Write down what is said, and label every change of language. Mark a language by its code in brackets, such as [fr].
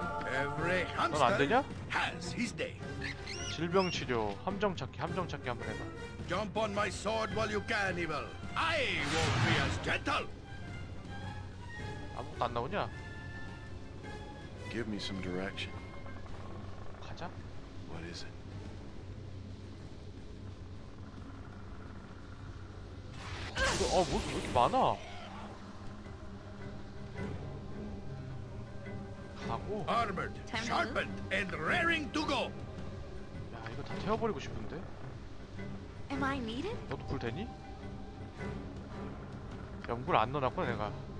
[en] Every hunter has his day. [ko] 질병 치료, 함정 찾기, 함정 찾기 한번 해봐. [en] Jump on my sword while you can, evil. I won't be as gentle. [ko] 아무것도 안 나오냐? [en] Give me some direction. [ko] 가자. [en] What is it? [ko] Oh, 아, 뭐 이렇게 많아? 가고. [en] Armored, sharpened, and raring to go. [ko] 야, 이거 다 태워버리고 싶은데? [en] Am I needed? [ko] 너도 불 되니? 연구를 안 넣어놨구나 내가.